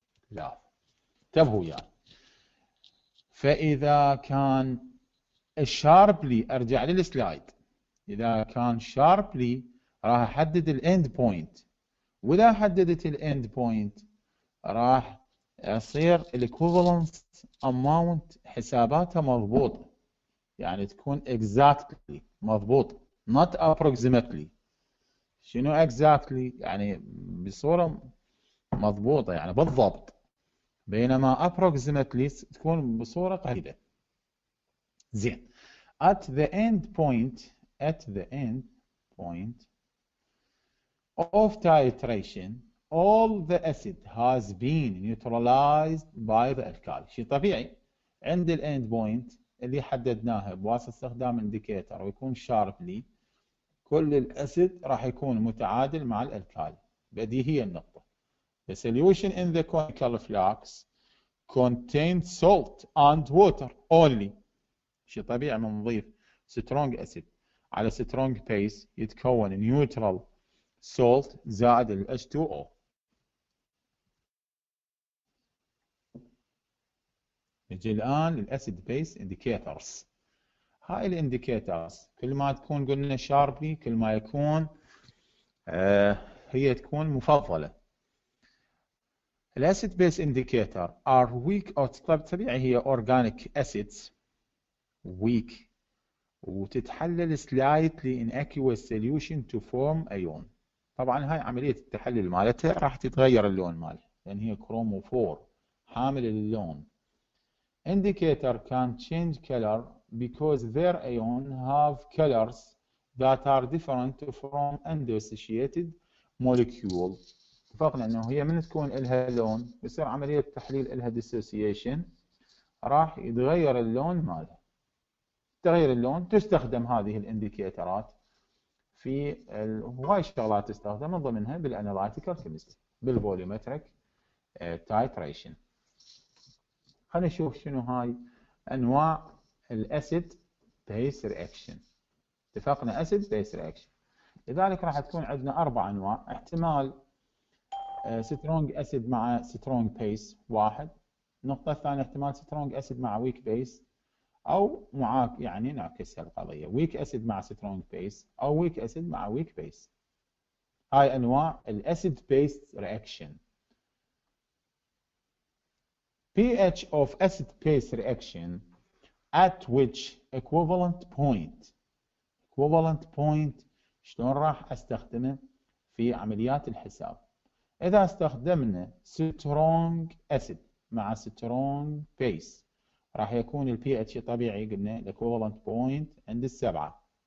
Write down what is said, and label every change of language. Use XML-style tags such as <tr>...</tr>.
<ar>لا انتبهوا يا يعني. فإذا كان الشاربلي، أرجع للسلايد، إذا كان شاربلي راح أحدد الإند بوينت، وإذا حددت الإند بوينت راح يصير الإكوفالنس أماونت حساباتها مضبوطة، يعني تكون إكزاكتلي مضبوط،</ar> <en>Not approximately.</en> <ar>شنو إكزاكتلي؟ يعني بصورة مضبوطة، يعني بالضبط، بينما approximately تكون بصورة قريبة.</ar> <en>زين، at the end point, at the end point of titration all the acid has been neutralized by the alkali.</en> <ar>شيء طبيعي عند ال end point اللي حددناها بواسطة استخدام indicator ويكون sharply، كل الأسيد راح يكون متعادل مع الألكالي، بديهية النقطة.</ar> <en>The solution in the conical flux contains salt and water only.</en> <ar>شيء طبيعي من نضيف strong acid على strong base يتكون neutral salt زائد ال H2O. نجي الآن للـ acid base indicators. هاي الـ indicators كل ما تكون قلنا sharply كل ما يكون هي تكون مفضلة.</ar> <en>The acid base indicator are weak or</en> <ar>طبيعي هي</ar> <en>organic acids weak</en> <ar>وتتحلل</ar> <en>slightly in aqueous solution to form a ion.</en> <ar>طبعا هاي عملية التحلل مالتها راح تتغير اللون مالها لان هي كروموفور حامل اللون.</ar> <en>Indicator can change color because their ion have colors that are different from undissociated molecule.</en> <ar>اتفقنا انه هي من تكون لها لون بصير عملية تحليل لها dissociation راح يتغير اللون مالها. تغير اللون تستخدم هذه الانديكيترات في هواي شغلات، تستخدم من ضمنها بالانالايتيكال كيمستري بالفوليومتريك تايتريشن. خلينا نشوف شنو هاي انواع الاسيد بيس رياكشن. اتفقنا اسيد بيس رياكشن، لذلك راح تكون عندنا اربع انواع. احتمال سترونج اسيد مع سترونج بيس واحد، النقطة الثانية احتمال سترونج اسيد مع ويك بيس، او معاك يعني نعكس القضية ويك اسيد مع سترونج بيس او ويك اسيد مع ويك بيس. هاي انواع الاسيد بيس رياكشن.</ar> <en>pH of acid base reaction at which equivalent point.</en> <ar>equivalent point شلون راح استخدمه في عمليات الحساب؟ إذا استخدمنا strong acid مع strong base راح يكون ال pH طبيعي قلنا ال equivalent point عند السبعة.</ar>